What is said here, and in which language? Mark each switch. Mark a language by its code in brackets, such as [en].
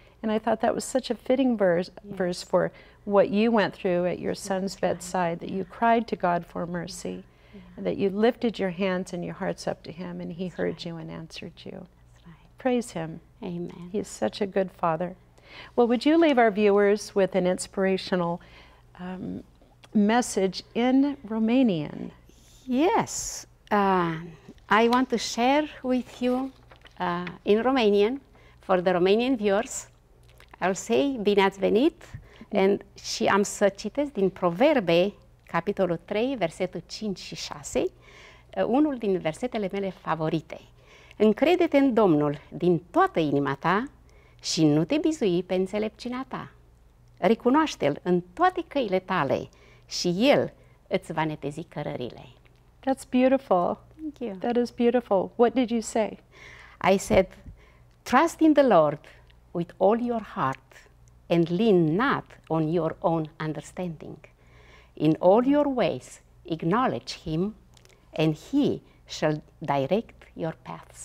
[en] And I thought that was such a fitting verse for what you went through at your son's bedside, that you cried to God for mercy, and that you lifted your hands and your hearts up to him, and he heard you and answered you. That's right. Praise him. Amen. He's such a good father. Well, would you leave our viewers with an inspirational message in Romanian? Yes. I want to share with you in Romanian, for the Romanian viewers, I'll say, [ro] Bine ați venit, and și am să citesc din Proverbe, capitolul 3, versetul 5 și 6, unul din versetele mele favorite. Încrede-te în Domnul din toată inima ta și nu te bizui pe înțelepciunea ta. Recunoaște-L în toate căile tale și El îți va netezi cărările. [en] That's beautiful. Thank you. That is beautiful. What did you say? I said, trust in the Lord with all your heart and lean not on your own understanding. In all your ways, acknowledge him and he shall direct your paths.